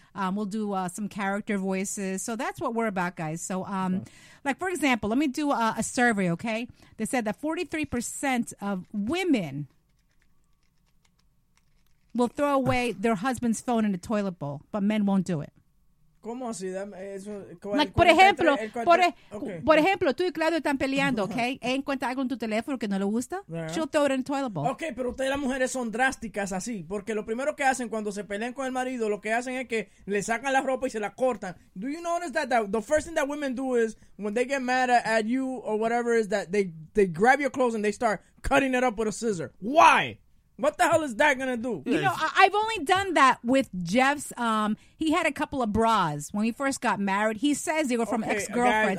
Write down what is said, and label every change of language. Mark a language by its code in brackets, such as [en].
[en] We'll do some character voices. So that's what we're about, guys. So like, for example, let me do a survey, okay? They said that 43% of women will throw away their husband's phone in the toilet bowl, but men won't do it. [es] Like, por ejemplo, tú y Claudio están peleando, ¿ok? Encuentra algo en tu teléfono que no le gusta. [en] Yeah. She'll throw it in the toilet bowl. [es] Ok, pero ustedes las mujeres son drásticas así, porque lo primero que hacen cuando se pelean con el marido, lo que hacen es que le sacan la ropa y se la cortan. [en] Do you notice that the first thing that women do is when they get mad at you or whatever is that they grab your clothes and they start cutting it up with a scissor? Why? What the hell is that going to do? You know, I've only done that with Jeff's. He had a couple of bras when we first got married. He says they were from ex-girlfriends.